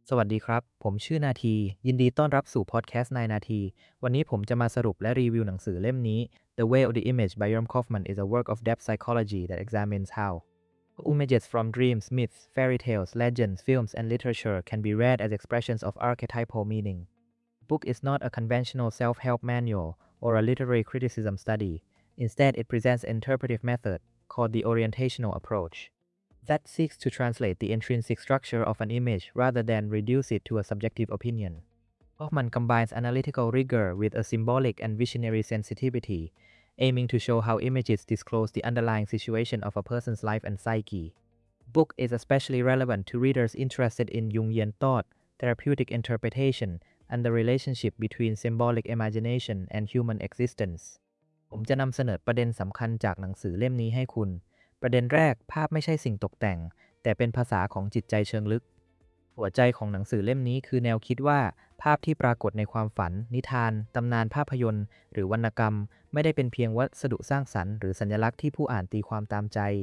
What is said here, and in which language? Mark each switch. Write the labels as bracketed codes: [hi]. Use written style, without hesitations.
[th] สวัสดีครับผมชื่อนาทียินดีต้อนรับสู่พอดแคสต์นายนาทีวันนี้ผมจะมาสรุปและรีวิวหนังสือเล่มนี้ [en] The Way of the Image by Yoram Kaufman is a work of depth psychology that examines how images from dreams, myths, fairy tales, legends, films, and literature can be read as expressions of archetypal meaning. The book is not a conventional self-help manual or a literary criticism study. Instead, it presents an interpretive method called the orientational approach. That seeks to translate the intrinsic structure of an image rather than reduce it to a subjective opinion. Kaufman combines analytical rigor with a symbolic and visionary sensitivity, aiming to show how images disclose the underlying situation of a person's life and psyche. Book is especially relevant to readers interested in Jungian thought, therapeutic interpretation, and the relationship between symbolic imagination and human existence. [th] ผมจะนำเสนอประเด็นสำคัญจากหนังสือเล่มนี้ให้คุณประเด็นแรกภาพไม่ใช่สิ่งตกแต่งแต่เป็นภาษาของจิตใจเชิงลึกหัวใจของหนังสือเล่มนี้คือแนวคิดว่าภาพที่ปรากฏในความฝันนิทานตำนานภาพยนตร์หรือวรรณกรรมไม่ได้เป็นเพียงวัสดุสร้างสรรค์หรือสัญลักษณ์ที่ผู้อ่านตีความตามใจ